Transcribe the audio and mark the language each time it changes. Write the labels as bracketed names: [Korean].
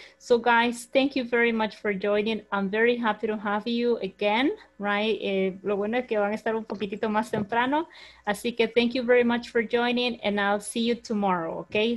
[English] So, guys, thank you very much for joining. I'm very happy to have you again, right? [Spanish] Lo bueno es que van a estar un poquitito más temprano. Así que [English] thank you very much for joining, and I'll see you tomorrow, okay?